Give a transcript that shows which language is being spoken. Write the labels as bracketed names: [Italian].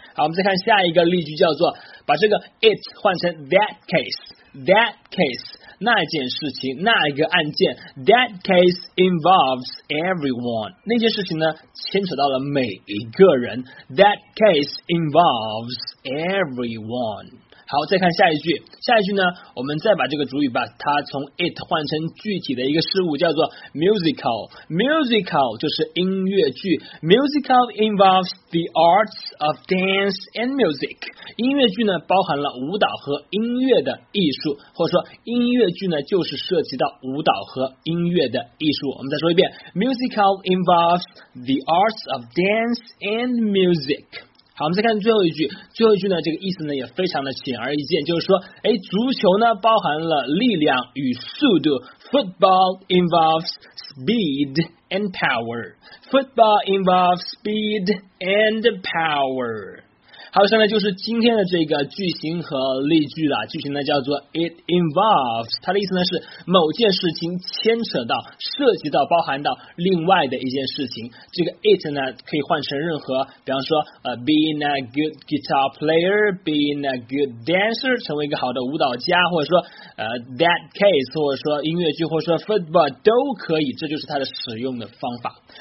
[Chinese] 好，我们再看下一个例句，叫做把这个 it 换成 that case 那件事情，那一个案件， that case involves everyone，那件事情呢牵扯到了每一个人， that case involves everyone。好，再看下一句。下一句呢，我们再把这个主语吧，它从 it 换成具体的一个事物，叫做 musical。 musical 就是音乐剧。 [English] musical involves the arts of dance and music。 [Chinese] 音乐剧呢，包含了舞蹈和音乐的艺术，或者说音乐剧呢，就是涉及到舞蹈和音乐的艺术。 [English] 我们再说一遍，musical involves the arts of dance and music。 [Chinese] 好，我们再看最后一句。最后一句呢，这个意思呢也非常的显而易见，就是说，足球呢包含了力量与速度。 [English] Football involves speed and power. Football involves speed and power. [Chinese] 好，现在就是今天的这个句型和例句了。句型呢叫做 it involves，它的意思呢是某件事情牵扯到、涉及到、包含到另外的一件事情。这个 it 呢可以换成任何，比方说 being a good guitar player， being a good dancer，成为一个好的舞蹈家，或者说that case， 或者说音乐剧，或者说 football 都可以，这就是它的使用的方法。